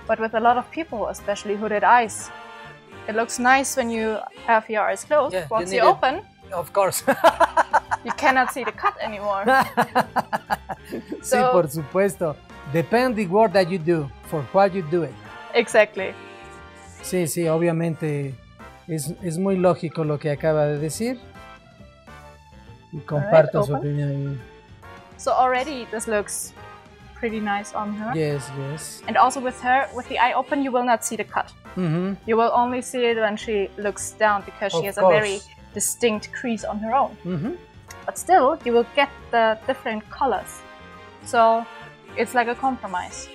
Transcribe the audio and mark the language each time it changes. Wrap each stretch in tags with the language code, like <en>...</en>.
<en>But with a lot of people, especially hooded eyes, it looks nice when you have your eyes closed. Yeah, once you open, of course, you cannot see the cut anymore.</en> <es>So, sí, por supuesto.</es> <en>Depending what that you do, for what you do it. Exactly.</en> <es>Sí, sí, obviamente. Es muy lógico lo que acaba de decir. Y comparto su opinión.</es> <en>So already this looks pretty nice on her. Yes, yes. And also with her, with the eye open, you will not see the cut. Mm-hmm. You will only see it when she looks down, because she has a very distinct crease on her own. Mm-hmm. But still, you will get the different colors. So it's like a compromise.</en>